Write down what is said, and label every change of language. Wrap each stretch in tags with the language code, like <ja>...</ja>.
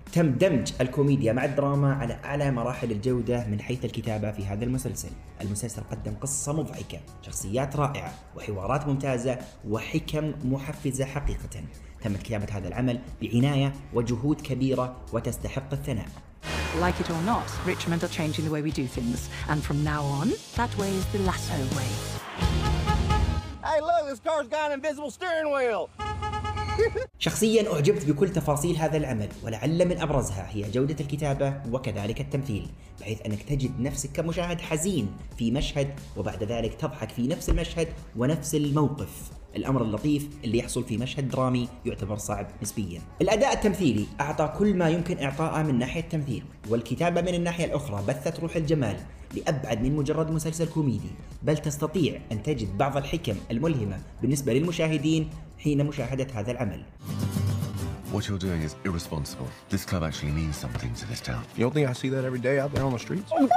<ar>تم دمج الكوميديا مع الدراما على أعلى مراحل الجودة من حيث الكتابة في هذا المسلسل. المسلسل قدم قصة مضحكة، شخصيات رائعة، وحوارات ممتازة، وحكم محفزة حقيقة. تم كتابة هذا العمل بعناية وجهود كبيرة وتستحق الثناء.</ar> <en>Like it or not, Richmond are changing the way we do things, and from now on, that way is the Lasso way. Hey, look, this car's got an invisible steering wheel.</en> <ar>شخصياً أعجبت بكل تفاصيل هذا العمل، ولعل من أبرزها هي جودة الكتابة وكذلك التمثيل، بحيث أنك تجد نفسك كمشاهد حزين في مشهد وبعد ذلك تضحك في نفس المشهد ونفس الموقف. الأمر اللطيف اللي يحصل في مشهد درامي يعتبر صعب نسبياً. الأداء التمثيلي أعطى كل ما يمكن إعطاءه من ناحية التمثيل، والكتابة من الناحية الأخرى بثت روح الجمال لأبعد من مجرد مسلسل كوميدي، بل تستطيع أن تجد بعض الحكم الملهمة بالنسبة للمشاهدين حين مشاهدة هذا العمل.</ar> <en>What you're doing is irresponsible. This club actually means something to this town. You don't think I see that every day out there on the streets?</en>